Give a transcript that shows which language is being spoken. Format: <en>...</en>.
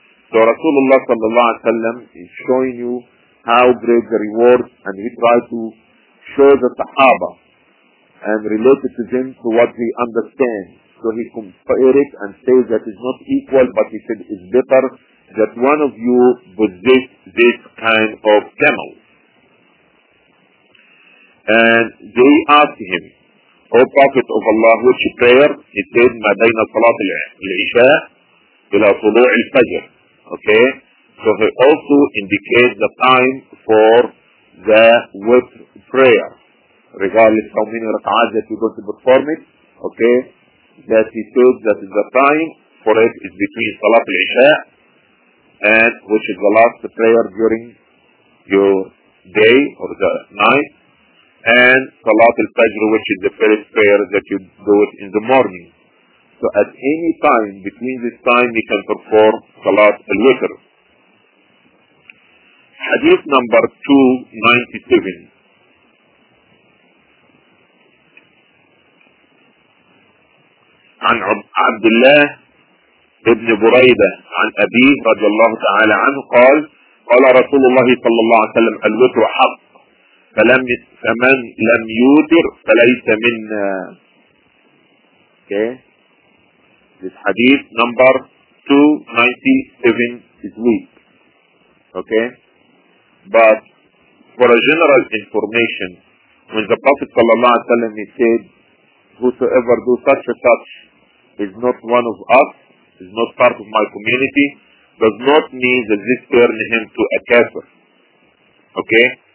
<en>So Rasulullah sallallahu alayhi wa sallam is showing you how great the reward, and he tried to show the Sahaba and related to them to what he understands. So he compared it and say that it's not equal, but he said it's better that one of you possess this kind of camel. And they asked him, O Prophet of Allah, which prayer? He said,</en> <ar>ما بين صلاة العشاء إلى طلوع الفجر.</ar> <en>Okay? So he also indicates the time for the witr prayer. Regardless how many rak'ahs that you're going to perform it, okay? That he said that the time for it is between Salat al-Isha, and which is the last prayer during your day or the night, and Salat al-Fajr, which is the first prayer that you do it in the morning. So at any time between this time, you can perform Salat al-Witr. Hadith number 297.</en> <ar>عن عبد الله بن بريدة عن أبيه رضي الله تعالى عنه قال قال رسول الله صلى الله عليه وسلم الوتر حق فمن لم يوتر فليس منا.</ar> <en>Okay. This hadith number 297 is weak. Okay. But for a general information, when the Prophet sallallahu alaihi wasallam said, "Whosoever do such and such is not one of us, is not part of my community," does not mean that this turned him to a kafir. Okay?</en>